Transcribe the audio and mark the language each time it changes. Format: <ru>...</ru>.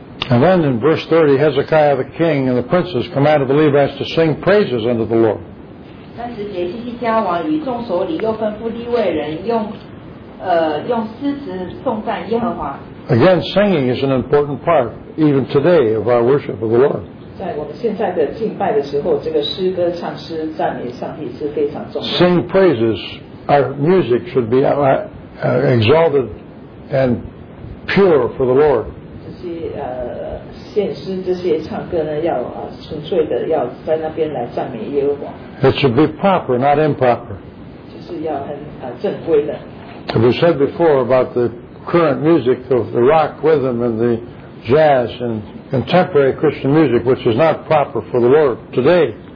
<en>And then in verse 30, Hezekiah the king and the princes commanded the Levites to sing praises unto the Lord.</en> <zh>30节, 西西家王与众首领又吩咐利未人用诗词颂赞耶和华。</zh> <en>Again, singing is an important part, even today, of our worship of the Lord.</en> <zh>在我们现在的敬拜的时候，这个诗歌唱诗赞美上帝是非常重要的。</zh> <en>Sing praises, our music should be exalted and pure for the Lord.</en> <zh>这些献诗这些唱歌呢，要纯粹的要在那边来赞美耶和华。</zh> <en>It should be proper, not improper.</en> <zh>就是要很正规的。</zh> <en>As we said before about the current music of the rock rhythm and the jazz and contemporary Christian music, which is not proper for the Lord today.</en>